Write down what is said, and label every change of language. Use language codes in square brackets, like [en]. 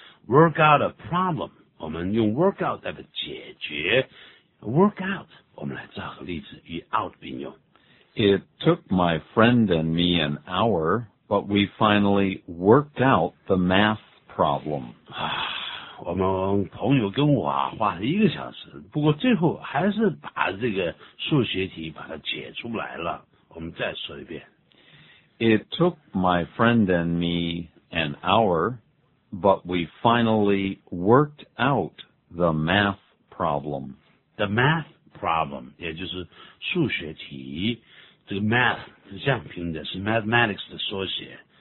[en] Work out a problem. 我们用 work out 代表解决。 [zh] Work out, 我们来找个例子与 out 并用。 [en] It took my friend and me an hour, but we finally worked out the math problem. [zh] 我们朋友跟我花了一个小时，不过最后还是把这个数学题把它解出来了。我们再说一遍。 [en] It took my friend and me an hour, but we finally worked out the math problem. The math problem, 也就是数学题。 [zh] 这个 math 是这样拼的，是 mathematics 的缩写。